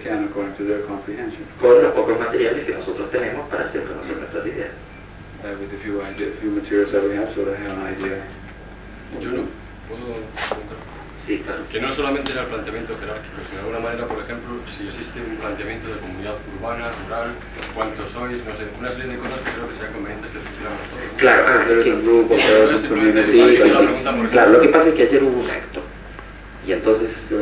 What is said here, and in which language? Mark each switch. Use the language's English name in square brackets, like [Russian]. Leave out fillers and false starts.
[Spanish] Con los pocos materiales que nosotros tenemos para hacer conocer nuestras ideas. [English] With a few ideas, few materials that we have, so that I have an idea. [Spanish] Yo no puedo preguntar. Sí, claro. Que no solamente era el planteamiento jerárquico, sino de alguna manera, por ejemplo, si existe un planteamiento de comunidad urbana, rural, cuántos sois, no sé, una serie de cosas que creo que sean convenientes que supiéramos todos. Claro, lo que pasa es que ayer hubo un acto, y entonces,